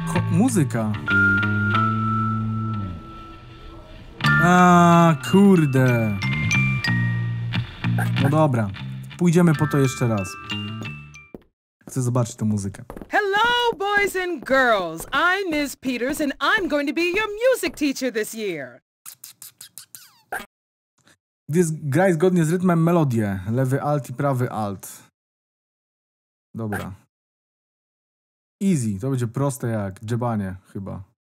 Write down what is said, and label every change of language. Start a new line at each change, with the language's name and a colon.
Polish: Muzyka. A kurde. No dobra. Pójdziemy po to jeszcze raz. Chcę zobaczyć tę muzykę.
English: Hello boys and girls. I'm Miss Peters and I'm going to be your music teacher this year.
Polish: Graj zgodnie z rytmem melodię. Lewy alt i prawy alt. Dobra. Easy. To będzie proste jak dżebanie chyba.